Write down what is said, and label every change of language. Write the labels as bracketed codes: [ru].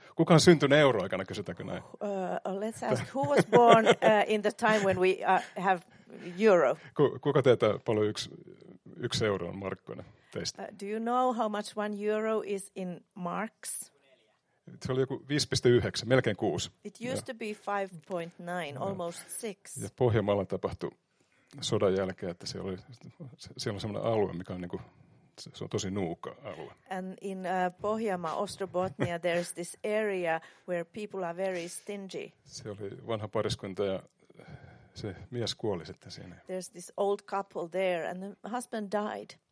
[fi] Kuka on syntynyt euro-aikana, kysytäänkö näin? [en] Let's ask, who was born in the time when we have euro? [fi] Kuka teitä paljon yksi euro on markkoina teistä? [en] Do you know how much one euro is in marks? [fi] Se oli joku 5,9, melkein 6. [en] It used to be 5.9, almost 6. [fi] Ja Pohjanmaalla tapahtui sodan jälkeen, että siellä on sellainen alue, mikä on niin kuin, se on tosi nuuka alue. [en] And in Pohjanmaa, Ostrobotnia, there is this area where people are very stingy. [fi] Se oli vanha pariskunta ja se mies kuoli sitten siinä. [en] There's this old couple there and the husband died.